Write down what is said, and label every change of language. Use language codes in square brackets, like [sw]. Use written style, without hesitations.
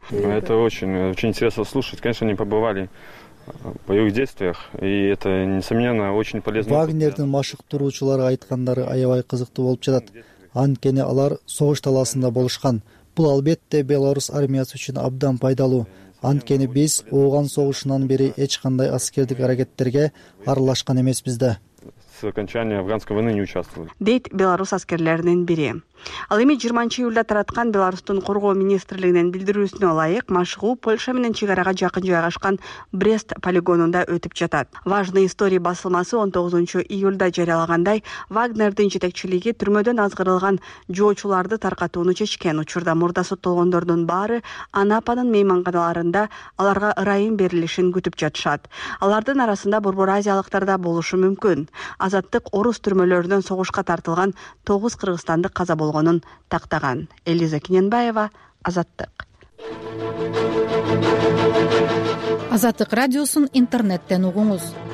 [ru] Это очень интересно слушать, конечно, они побывали в боевых действиях, и это несомненно очень полезно. [ky] Вагнердин машыктыруучулары айткандары аябай кызыктуу болуп жатат. Анткени алар согуш талаасында болушкан. Бул албетте Беларусь армиясы үчүн абдан пайдалуу. Анткени биз Ооган согушунан бери эч кандай аскердик аракеттерге аралашкан эмеспиз да. [ru] С окончания афганской войны не участвовали. [ky] Дейт Беларусь аскерлеринин бири. Ал эми 20 июлда тараткан Беларусьтун коргоо министрлигинин билдирүүсүнө ылайык, машыгуу Польша менен чек арага жакын жайгашкан Брест полигонунда өтүп жатат. Важные истории басылмасы 19 июлда жарыялагандай, Вагнердин жетекчилиги түрмөдөн азгырылган жоочуларды таркатууну чечкен. Учурда мурда соттолгондордун баары Анапанын мейманканаларында аларга ырайым берилишин күтүп жатышат. Алардын арасында борбор азиялыктар да болушу мүмкүн. Азаттык орус түрмөлөрүнөн согушка тартылган 9 кыргызстандык каза болгонун тактаган. Элиза Кененбаева, Азаттык. Азаттык радиосун интернеттен угуңуз.